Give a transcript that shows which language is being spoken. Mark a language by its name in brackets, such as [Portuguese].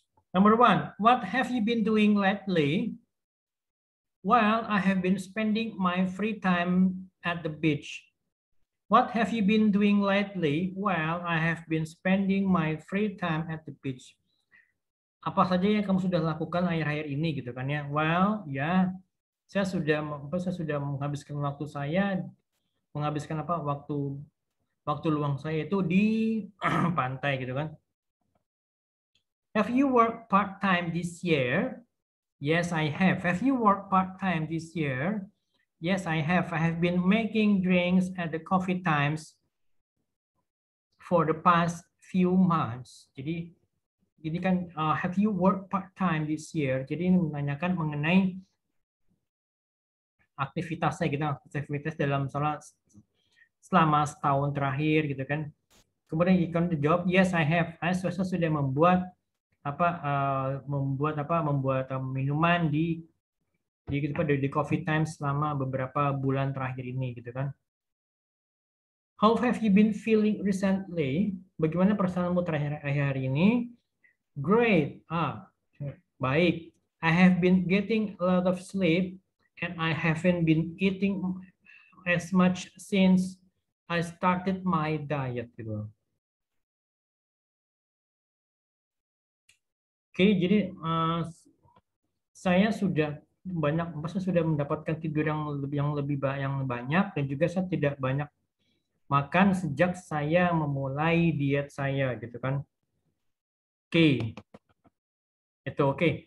[English] Number one, what have you been doing lately? Well, I have been spending my free time at the beach. What have you been doing lately? Well, I have been spending my free time at the beach. [Indonesian] Apa saja yang kamu sudah lakukan akhir-akhir ini gitu kan ya? [English] Well, ya, yeah, [Indonesian] saya sudah menghabiskan waktu saya, menghabiskan apa? Waktu luang saya itu di pantai gitu kan. [English] Have you worked part-time this year? Yes, I have. Have you worked part-time this year? Yes, I have. I have been making drinks at the coffee times for the past few months. [Indonesian] Jadi ini kan [English] have you worked part-time this year? [Indonesian] Jadi ini menanyakan mengenai aktivitasnya gitu, aktivitas dalam salah selama setahun terakhir gitu kan. Kemudian [English] you can job, yes I have. [Indonesian] Saya sudah membuat minuman di coffee time selama beberapa bulan terakhir ini gitu kan. [English] How have you been feeling recently? [Indonesian] Bagaimana perasaanmu terakhir hari ini? [English] Great. [Indonesian] Baik. [English] I have been getting a lot of sleep and I haven't been eating as much since I started my diet [Indonesian] gitu. Oke, jadi saya sudah banyak, saya sudah mendapatkan tidur yang banyak dan juga saya tidak banyak makan sejak saya memulai diet saya gitu kan. Oke. Itu oke.